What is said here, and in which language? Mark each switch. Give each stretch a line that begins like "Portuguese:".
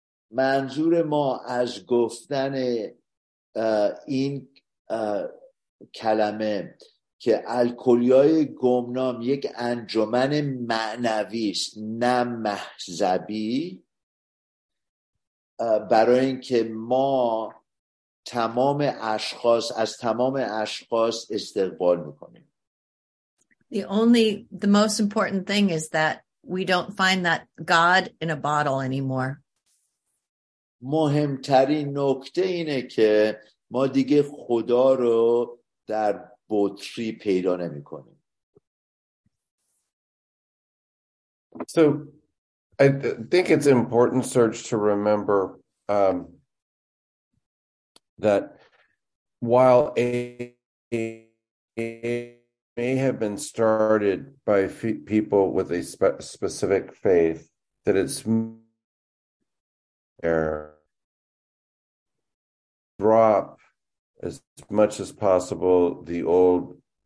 Persian: منظور ما از گفتن این کلمه که الکلی‌های گمنام یک انجمن معنوی است نه مذهبی، برای اینکه ما از تمام اشخاص استقبال میکنیم.
English: The most important thing is that we don't find that God in a bottle anymore.
Persian: مهمترین نکته اینه که ما دیگه خدا رو در بطری پیدا نمیکنیم.
English: So I think it's important, Serge, to remember that while AA may have been started by people with a specific faith, that it's there drop as much as possible the old.